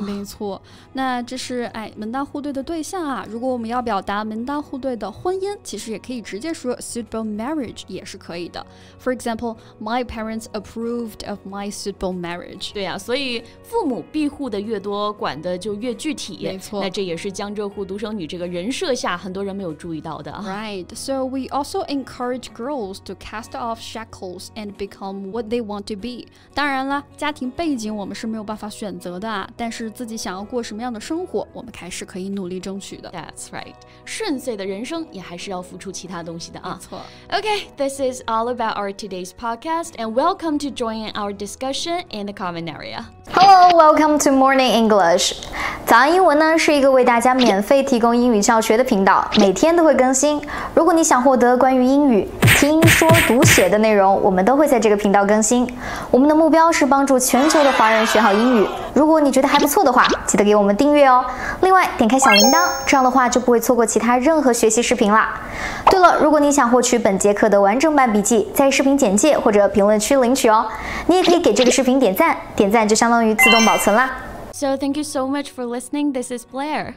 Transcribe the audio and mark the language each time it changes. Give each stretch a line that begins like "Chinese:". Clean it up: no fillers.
Chinese: 没错那这是哎门当户对的对象啊，如果我们要表达门当户对的婚姻，其实也可以直接说 suitable marriage 也是可以的。
English: For example, my parents approved of my suitable marriage.
Chinese: 对啊，所以父母庇护的越多，管的就越具体。没错，那这也是江浙沪独生女这个人设下很多人没有注意到的。
English: Right, so we also encourage girls to cast off shackles and become what they want to be.
Chinese: 当然了，家庭背景我们是没有办法选择的啊，但是自己想要过什么样的生活，我们还是可以努力争取的 That's right 顺遂的人生也还是要付出其他东西的、啊、没错
English: OK, this is all about our today's podcast And welcome to join our discussion in the comment area
Chinese: Hello, welcome to Morning English 早安英文呢是一个为大家免费提供英语教学的频道每天都会更新如果你想获得关于英语听说读写的内容我们都会在这个频道更新我们的目标是帮助全球的华人学好英语如果你觉得还不错的话记得给我们订阅哦另外点开小铃铛这样的话就不会错过其他任何学习视频了对了如果你想获取本节课的完整版笔记在视频简介或者评论区领取哦你也可以给这个视频点赞点赞就相当于自动保存了
English: So thank you so much for listening This is Blair